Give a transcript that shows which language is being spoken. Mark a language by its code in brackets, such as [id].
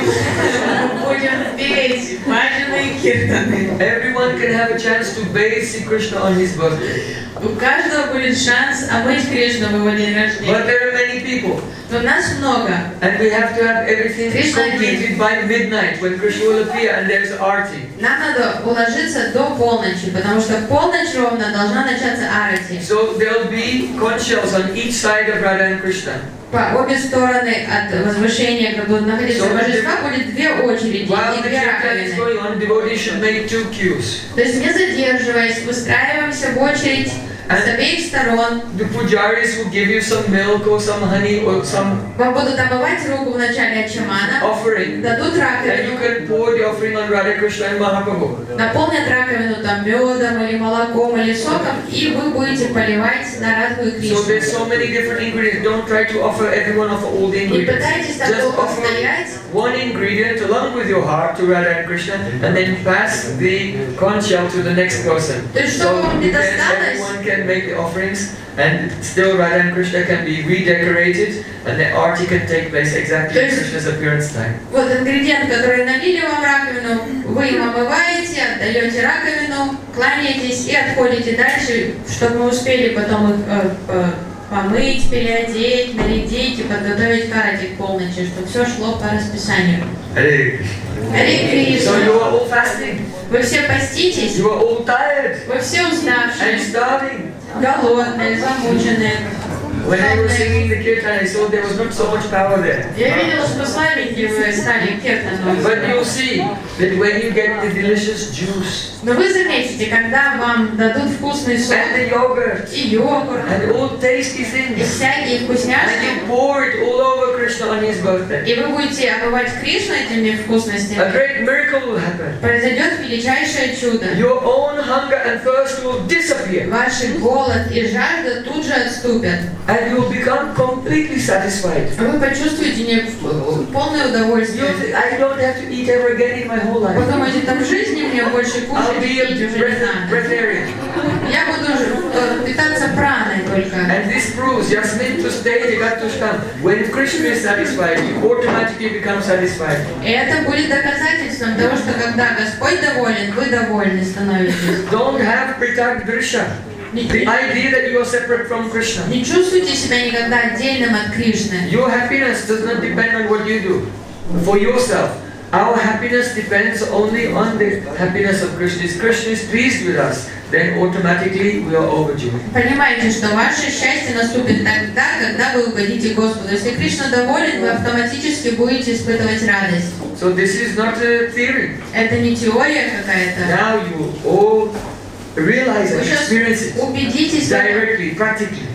[ru] Будем петь бхаджаны и киртаны. [en] Everyone can have a chance to bathe Sri Krishna on his birthday. [ru] У каждого будет шанс омыть Кришну в его день рождения. [en] But there are many people. [ru] Но нас много. [en] And we have to have everything completed by midnight when Krishna will appear and there's arti. [ru] Нам надо уложиться до полночи, потому что полночь ровно должна начаться арти. [en] So there'll be conch shells on each side of Radha and Krishna. [ru] По обе стороны от возвышения, как будут находиться божества, будет две очереди и две раковины. [en] On, devotees should make two queues. [ru] То есть не задерживаясь, выстраиваемся в очередь. [en] And [ru] с обеих сторон. [en] The pujaris will give you some milk or some honey or some. [ru] Вам будут обмывать руку в начале ачамана. [en] Offering. [ru] Дадут раковину. [en] And you can pour the offering on Radha Krishna and Mahaprabhu. [ru] Наполнят раковину там медом или молоком или соком, и вы будете поливать на Радху и Кришну. [en] So there's so many different ingredients. Don't try to offer everyone of all the ingredients. [ru] Не пытайтесь так долго стоять. [en] One ingredient along with your heart to Radha and Krishna, and then pass the conch shell to the next person. So everyone can make the offerings, and still Radha and Krishna can be redecorated, and the arti can take place exactly at Krishna's appearance time. [ru] Вот ингредиент, который налили вам раковину, вы им омываете, отдаете раковину, кланяетесь и отходите дальше, чтобы мы успели потом их. Помыть, переодеть, нарядить и подготовить карати к полночи, чтобы все шло по расписанию. [en] Hare Krishna. So you are all fasting. [ru] Вы все поститесь. [en] You are all tired. [ru] Вы все уставшие. [en] And starving. [ru] Голодные, замученные. [en] When I was singing the kirtan, I saw there was not so much power there. [ru] Я видел, что слабенькие вы стали киртаном. [en] But you see that when you get the delicious juice. [ru] Но вы заметите, когда вам дадут вкусный сок. [en] And the yogurt. [ru] И йогурт. [en] And all tasty things. [ru] И всякие вкусняшки. [en] And you pour it all over Krishna on his birthday. [ru] И вы будете омывать Кришну этими вкусностями. [en] A great miracle will happen. [ru] Произойдет величайшее чудо. [en] Your own hunger and thirst will disappear. [ru] Ваш голод и жажда тут же отступят. [en] And you will become completely satisfied. [ru] Вы почувствуете полное удовольствие. [en] I don't have to eat ever again in my whole life. [ru] Вы думаете, там в жизни мне больше кушать не надо. Я буду питаться праной только. [en] And this proves just need to stay in Gattushkan. When Krishna is satisfied, you automatically become satisfied. [ru] Это будет доказательством того, что когда Господь доволен, вы довольны становитесь. [en] Don't have pritak drisha. The idea that you are separate from Krishna. [ru] Не чувствуйте себя никогда отдельным от Кришны. [en] Your happiness does not depend on what you do for yourself. Our happiness depends only on the happiness of Krishna. If Krishna is pleased with us, then automatically we are overjoyed. [ru] Понимаете, что ваше счастье наступит тогда, когда вы угодите Господу. Если Кришна доволен, вы автоматически будете испытывать радость. [en] So this is not a theory. [ru] Это не теория какая-то. [en] Now you all. Realize and experience it directly, practically.